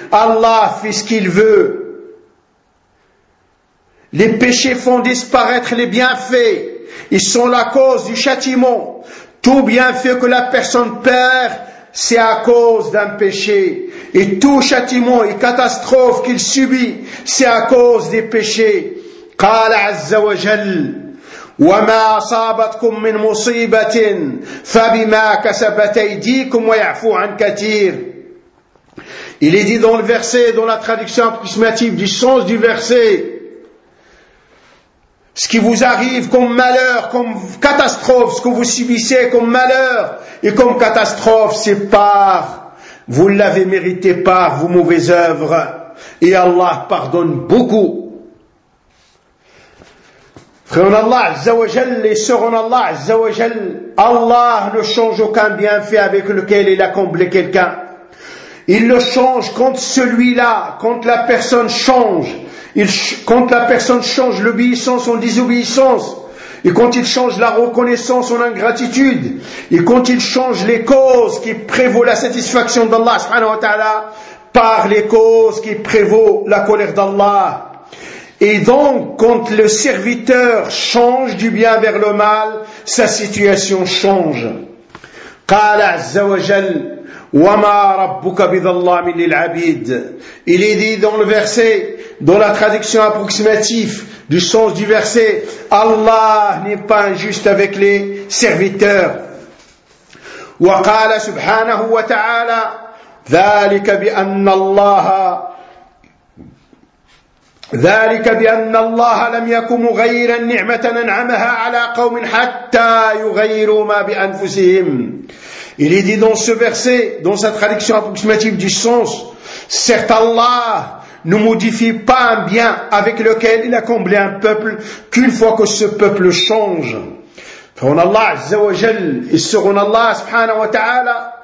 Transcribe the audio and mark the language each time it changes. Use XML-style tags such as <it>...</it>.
<fr>Allah fait ce qu'il veut. Les péchés font disparaître les bienfaits. Ils sont la cause du châtiment. Tout bienfait que la personne perd, c'est à cause d'un péché. Et tout châtiment et catastrophe qu'il subit, c'est à cause des péchés.</fr> <ar>قال عز وجل وما أصابتكم من مصيبة فبما كسبت أيديكم ويعفو عن كثير.</ar> <fr>Il est dit dans le verset, dans la traduction approximative du sens du verset, ce qui vous arrive comme malheur, comme catastrophe, ce que vous subissez comme malheur et comme catastrophe, c'est par, vous l'avez mérité par vos mauvaises œuvres. Et Allah pardonne beaucoup. Frère Allah Azza wa Jal et sœur Allah Azza wa Jal, Allah ne change aucun bienfait avec lequel il a comblé quelqu'un. Il le change quand celui-là, quand la personne change, quand la personne change l'obéissance en désobéissance, et quand il change la reconnaissance en ingratitude, et quand il change les causes qui prévaut la satisfaction d'Allah subhanahu wa ta'ala par les causes qui prévaut la colère d'Allah. Et donc, quand le serviteur change du bien vers le mal, sa situation change.</fr> <ar>قال عز وجل وما ربك بظلام للعبيد.</ar> <fr>Il est dit dans le verset, dans la traduction approximative du sens du verset, Allah n'est pas injuste avec les serviteurs.</fr> <ar>وقال سبحانه وتعالى ذلك بأن الله ذلك بأن الله لم يكن مغيرا نعمة أنعمها على قوم حتى يغيروا ما بأنفسهم.</ar> <fr>Il est dit dans ce verset, dans sa traduction approximative du sens, certes Allah ne modifie pas un bien avec lequel il a comblé un peuple qu'une fois que ce peuple change. فَهُنَ اللَّهُ عَزَّ وَجَلْ et سُغُنَ اللَّهُ سُبْحَانَهُ وَتَعَالَى.</fr>